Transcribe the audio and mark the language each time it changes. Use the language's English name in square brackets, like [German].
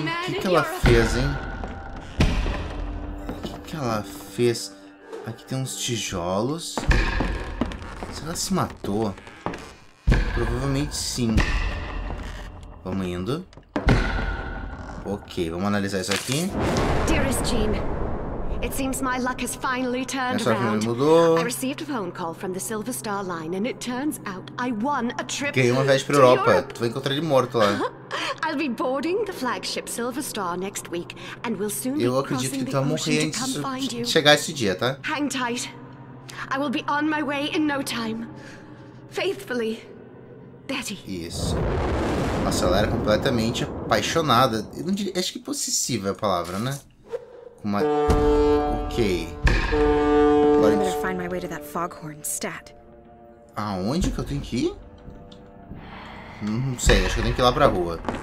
[Portuguese] O que que ela fez, hein? O que que ela fez? Aqui tem uns tijolos. Será que ela se matou? Provavelmente sim. Vamos indo. Ok, vamos analisar isso aqui. [English] Dearest Jean, it seems my luck has finally turned around. I received a phone call from the Silver Star Line and it turns out I won a trip. [Portuguese] Ganhei uma viagem para Europa. Tu vai encontrar ele morto lá. [English] I'll be boarding the flagship Silver Star next week and we'll soon be crossing the ocean to come find you. [Portuguese] Chegar esse dia, tá? [English] Hang tight. I will be on my way in no time. Faithfully, Betty. [Portuguese] Isso. Nossa, ela era completamente apaixonada. Eu não diria, acho que possessiva é a palavra, né? Uma... Ok. Agora eu vou [English] find my way to that foghorn stat. [Portuguese] Aonde que eu tenho que ir? Não sei, acho que eu tenho que ir lá pra rua.